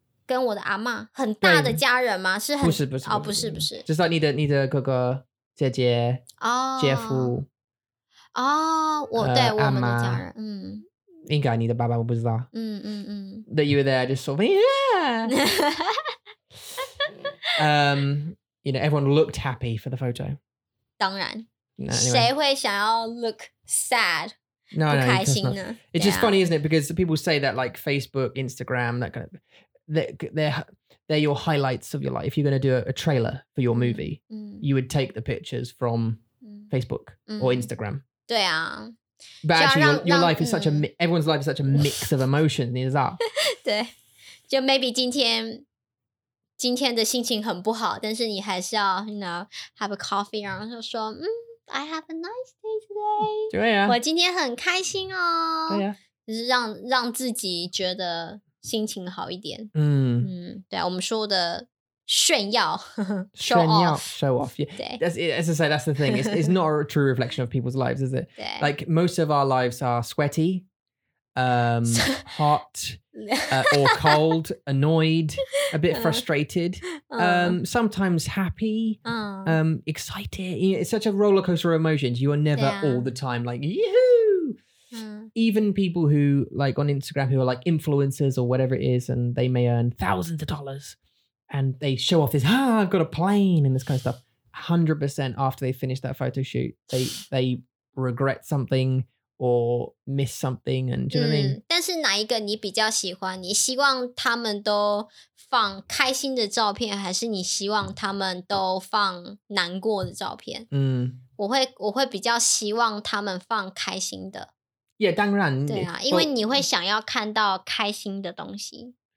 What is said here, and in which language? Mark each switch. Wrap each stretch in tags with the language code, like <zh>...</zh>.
<zh>跟我的阿嬷?很大的家人吗?是很, 不是, 哦, 不是。</zh> <en>Just like</en> <zh>你的哥哥。姐姐，哦，哦，我对我们的家人，嗯，应该你的爸爸我不知道，嗯嗯嗯。</zh> <en>That you were there, just sort of, yeah. you know, everyone looked happy for the photo.</en> <zh>当然，谁会想要</zh> <en>look sad? No,</en> <zh>不开心呢？</zh> <en>It's just funny, isn't it? Because people say that, like Facebook, Instagram, that kind of, they're your highlights of your life. If you're going to do a trailer for your movie, you would take the pictures from Facebook or Instagram.</en> <zh>对啊,</zh> <en>but actually, your life is such a, everyone's life is such a mix of emotions.</en> <zh>你知道? 对，就</zh> <en>maybe</en> <zh>今天的心情很不好，但是你还是要</zh> <en>you know have a coffee，</en> <zh>然后就说嗯 ，</zh> <en>I have a nice day today，</en> <zh>对呀、啊，我今天很开心哦，对呀、啊，就是让自己觉得心情好一点，嗯嗯，对啊，我们说的炫耀</zh> <en>，show off，show off， yeah， that's to say that's the thing， it's not a true reflection of people's lives， is it？</en> <zh>对</zh> <en>，like most of our lives are sweaty。 hot or cold, annoyed, a bit frustrated, sometimes happy, excited. It's such a roller coaster of emotions. You are never all the time like, yoo-hoo! Even people who like on Instagram who are like influencers or whatever it is, and they may earn thousands of dollars and they show off this, I've got a plane and this kind of stuff. 100% after they finish that photo shoot, they regret something or miss something, and do you know what I mean?</en> <zh>但是哪一个你比较喜欢？你希望他们都放开心的照片，还是你希望他们都放难过的照片？我会比较希望他们放开心的。</zh> <en>Yeah,</en> <zh>当然。对啊，因为你会想要看到开心的东西。</zh>